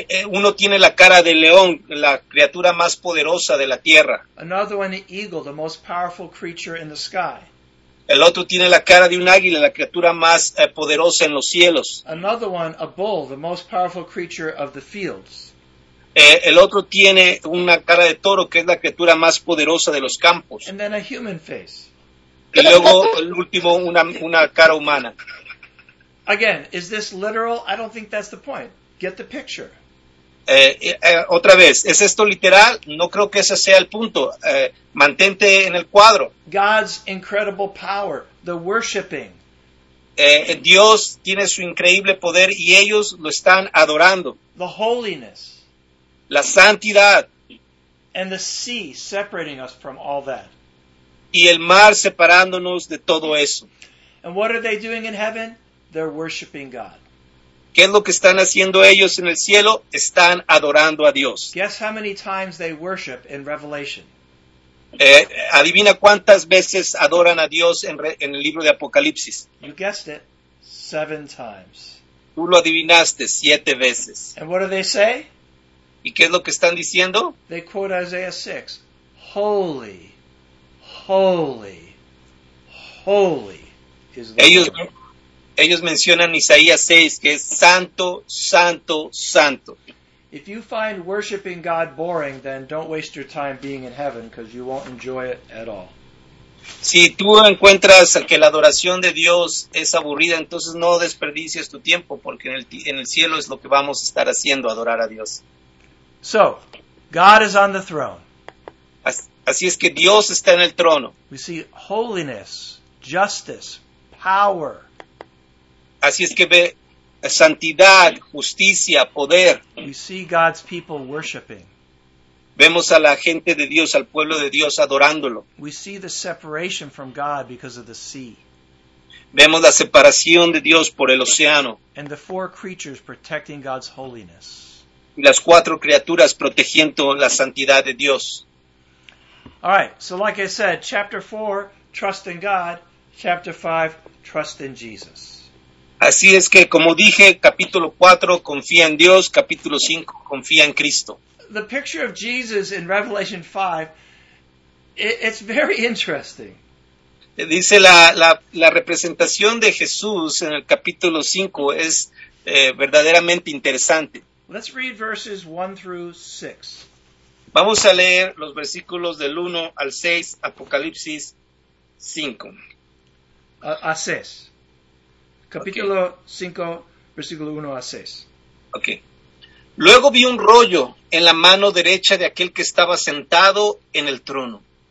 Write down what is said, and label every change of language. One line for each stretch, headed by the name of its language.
Spanish: Uno tiene la cara de león, la criatura más poderosa de la tierra.
English: Another one, the eagle, the most powerful creature in the sky.
Spanish: El otro tiene la cara de un águila, la criatura más poderosa en los cielos.
English: Another one, a bull, the most powerful creature of the fields.
Spanish: El otro tiene una cara de toro, que es la criatura más poderosa de los campos.
English: And then a human face.
Spanish: Y luego, el último, una cara humana.
English: Again, is this literal? I don't think that's the point. Get the picture.
Spanish: Otra vez, ¿es esto literal? No creo que ese sea el punto. Mantente en el cuadro.
English: God's incredible power, the worshiping.
Spanish: Dios tiene su increíble poder y ellos lo están adorando.
English: The holiness.
Spanish: La santidad.
English: And the sea separating us from all that.
Spanish: Y el mar separándonos de todo eso.
English: And what are they doing in heaven? They're worshiping God.
Spanish: ¿Qué es lo que están haciendo ellos en el cielo? Están adorando a Dios.
English: Guess how many times they worship in Revelation.
Spanish: Adivina cuántas veces adoran a Dios en el libro de Apocalipsis.
English: You guessed it, 7 times.
Spanish: Tú lo adivinaste 7 veces.
English: And what do they say?
Spanish: ¿Y qué es lo que están diciendo?
English: They quote Isaiah 6. Holy, holy, holy is the
Spanish: ellos,
English: Lord.
Spanish: Ellos mencionan Isaías 6, que es santo, santo, santo.
English: If you find worshiping God boring, then don't waste your time being in heaven, because you won't enjoy it at all.
Spanish: Si tú encuentras que la adoración de Dios es aburrida, entonces no desperdicies tu tiempo, porque en el cielo es lo que vamos a estar haciendo, adorar a Dios.
English: So, God is on the throne.
Spanish: Así es que Dios está en el trono.
English: We see holiness, justice, power.
Spanish: Así es que ve santidad, justicia, poder.
English: We see God's people worshiping.
Spanish: Vemos a la gente de Dios, al pueblo de Dios adorándolo.
English: We see the separation from God because of the sea.
Spanish: Vemos la separación de Dios por el océano.
English: And the four creatures protecting God's holiness.
Spanish: Y las cuatro criaturas protegiendo la santidad de Dios.
English: All right, so like I said, chapter 4, trust in God. Chapter 5, trust in Jesus.
Spanish: Así es que, como dije, capítulo 4, confía en Dios. Capítulo 5, confía en Cristo.
English: The picture of Jesus in Revelation 5, it's very interesting.
Spanish: Dice la representación de Jesús en el capítulo 5 es verdaderamente interesante.
English: Let's read verses 1 through 6.
Spanish: Vamos a leer los versículos del 1 al 6, Apocalipsis 5. A 6. Capítulo 5, versículo 1 a 6. Ok. Luego vi un rollo en la mano derecha de aquel que estaba sentado en el trono.